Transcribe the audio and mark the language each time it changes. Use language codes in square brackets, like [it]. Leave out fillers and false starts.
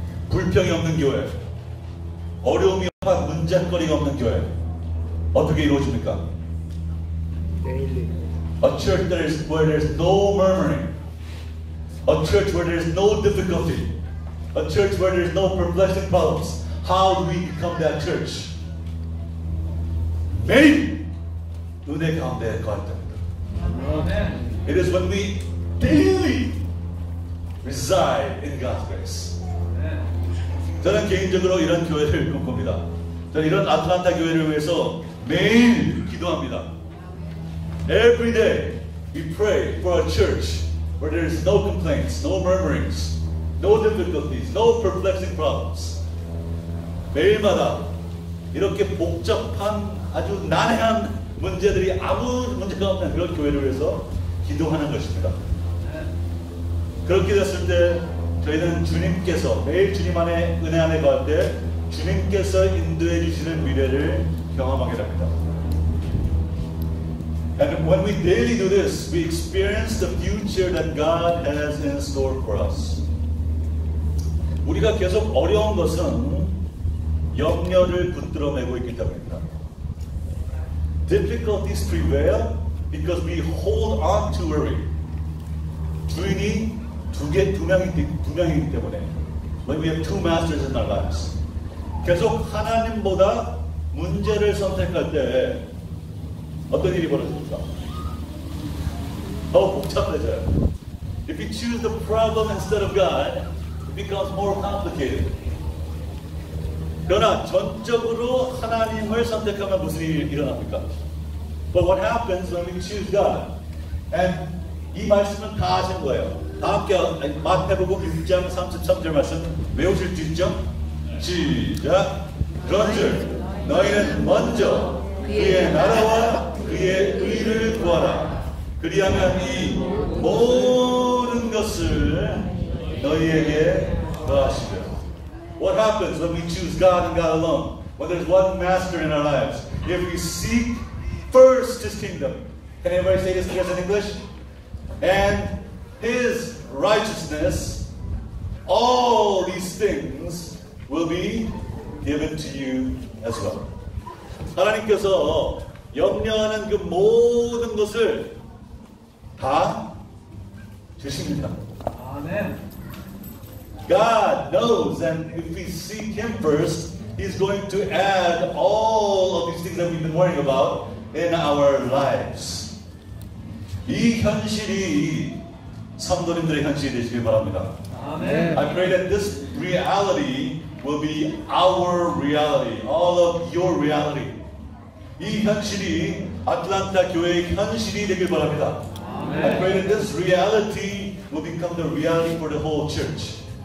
[ko] 불평이 없는 교회, 어려움이 없는 문제거리가 없는 교회 어떻게 이루어집니까? [en] A church that is where there is no murmuring, a church where there is no difficulty, a church where there is no perplexing problems. How do we become that church? [ko] 매일 은혜 가운데 거했답니다. [en] It is when we daily reside in God's grace. [ko] 저는 개인적으로 이런 교회를 꿈꿉니다. 저는 이런 아틀란타 교회를 위해서 매일 기도합니다. [en] Every day we pray for a church where there is no complaints, no murmurings, no difficulties, no perplexing problems. [ko] 매일마다 이렇게 복잡한 아주 난해한 문제들이 아무 문제가 없는 그런 교회를 위해서 기도하는 것입니다. 그렇게 됐을 때 저희는 주님께서 매일 주님 안에 은혜 안에 거할 때 주님께서 인도해 주시는 미래를 경험하게 됩니다. [en] And when we daily do this, we experience the future that God has in store for us. [ko] 우리가 계속 어려운 것은 염려를 붙들어 매고 있기 때문입니다. [en] Difficulties prevail because we hold on to worry. [ko] 주인이 두 명이기 때문에 [en] when we have two masters in our lives. [ko] 계속 하나님보다 문제를 선택할 때 어떤 일이 벌어집니까? 더 복잡해져요. [en] If we choose the problem instead of God, it becomes more complicated. [ko] 그러나 전적으로 하나님을 선택하면 무슨 일이 일어납니까? [en] But what happens when we choose God? And [ko] 이 말씀은 다 아시는 거예요. 다 함께 마태복음 6장 33절 말씀 외우실 수 있죠? 시작! 그런즉 너희는 먼저 그의 나라와 그의 의를 구하라. 그리하면 이 모든 것을 너희에게 더하시려. [en] What happens when we choose God and God alone? When there's one master in our lives? If we seek first His kingdom. Can anybody say this together in English? And His righteousness, all these things will be given to you as well. [ko] 하나님께서 염려하는 그 모든 것을 다 주십니다. [en] Amen. God knows, and if we seek Him first, He's going to add all of these things that we've been worrying about in our lives. [ko] 이 현실이 성도님들의 현실이 되시길 바랍니다. [en] Amen. I pray that this reality will be our reality, all of your reality. [ko] 이 현실이 아틀란타 교회의 현실이 되길 바랍니다. [en] Amen. I pray that this reality will become the reality for the whole church.